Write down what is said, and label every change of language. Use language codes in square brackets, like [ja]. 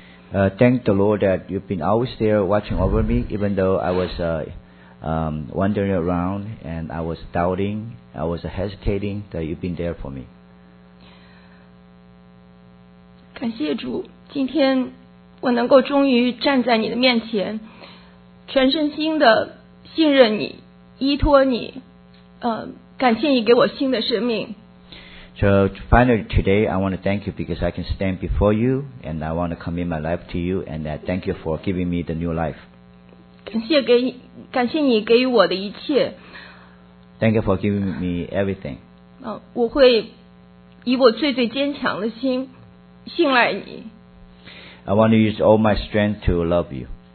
[en] Thank the Lord that you've been always there watching over me, even though I was wandering around and I was doubting, I was hesitating, that you've been there for me. [zh] 感谢主，今天我能够终于站在你的面前，全身心的信任你，依托你，感谢你给我新的生命。 [en] So finally today I want to thank you because I can stand before you and I want to commit my life to you and thank you for giving me the new life. [zh] 感谢你给予我的一切。 [en] Thank you for giving me everything. [zh] 我会以我最最坚强的心信赖你。 [en] I want to use all my strength to love you.